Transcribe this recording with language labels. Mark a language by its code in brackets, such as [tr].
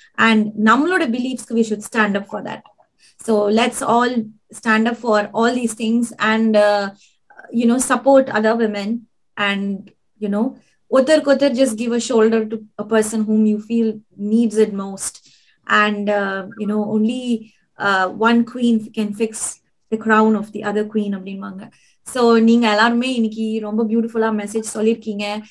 [en] and [ta] நம்மளோட பிலீஃப்ஸ்க்கு [en] We should stand up for that. So let's all stand up for all these things and you know support other women and you know [ta] ஒருத்தருக்கு [en] just give a shoulder to a person whom you feel needs it most. And, you know, only one queen can fix the crown of the other queen. [ta] So, நீங்க எல்லாருமே இன்னைக்கு ரொம்ப பியூட்டிஃபுல்லா message சொல்லியிருக்கீங்க.